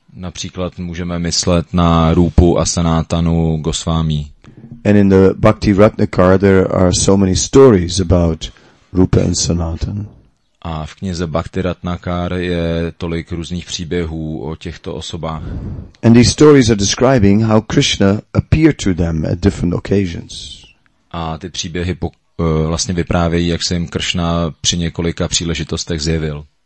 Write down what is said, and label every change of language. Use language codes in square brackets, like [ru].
[cs] Například můžeme myslet na Rupu a Sanatanu Goswami. [en] And in the Bhakti Ratnakara there are so many stories about Rupa and Sanatan. [cs] A v knize Bhakti Ratnakara je tolik různých příběhů o těchto osobách. [en] And these stories are describing how Krishna appeared to them at different occasions. [cs] A ty příběhy vlastně vyprávějí, jak se jim Kršna při několika příležitostech zjevil.